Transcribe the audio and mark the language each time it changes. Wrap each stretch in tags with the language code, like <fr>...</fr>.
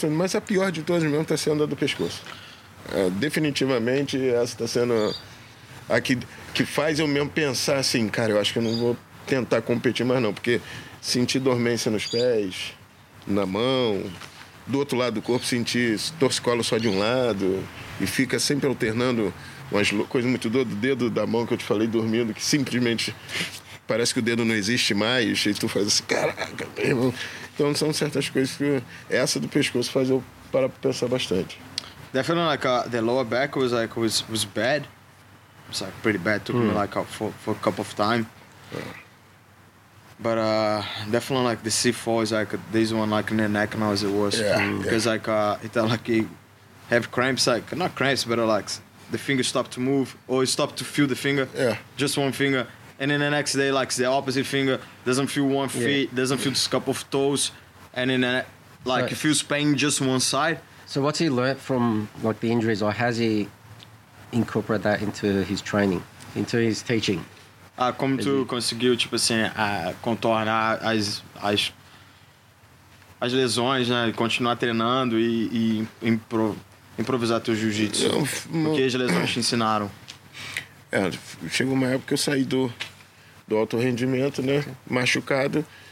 <pt>Mas a pior de todas mesmo tá sendo a do pescoço. Definitivamente, essa tá sendo a que faz eu mesmo pensar assim, cara, eu acho que eu não vou tentar competir mais não, porque sentir dormência nos pés, na mão, do outro lado do corpo sentir torcicolo só de um lado, e fica sempre alternando umas coisas muito doidas, do dedo da mão que eu te falei dormindo, que simplesmente parece que o dedo não existe mais, e tu faz assim, caraca, meu irmão. Então são certas coisas que essa do pescoço faz eu parar pra pensar bastante.</pt> <en>Definitely, like, the lower back was, like, was bad. It's, like, pretty bad. Took me, like, for a couple of time. But definitely, like, the C4 is, like, this one, like, in the neck now is the worst. Because, he have cramps, like, not cramps, but, like, the finger stopped to move, or it stopped to feel the finger. Yeah. Just one finger. And then the next day, like, the opposite finger doesn't feel one feet, doesn't feel this couple of toes. And then, like, it feels pain just one side. So what's he learned from, like, the injuries, or has he incorporated that into his training, into his teaching?</en> <pt>Como tu conseguiu, tipo assim, contornar as lesões, né? Continuar treinando e improvisar teu jiu-jitsu. O que as lesões te ensinaram? Chegou uma época que eu saí do alto rendimento, né? Machucado.</pt>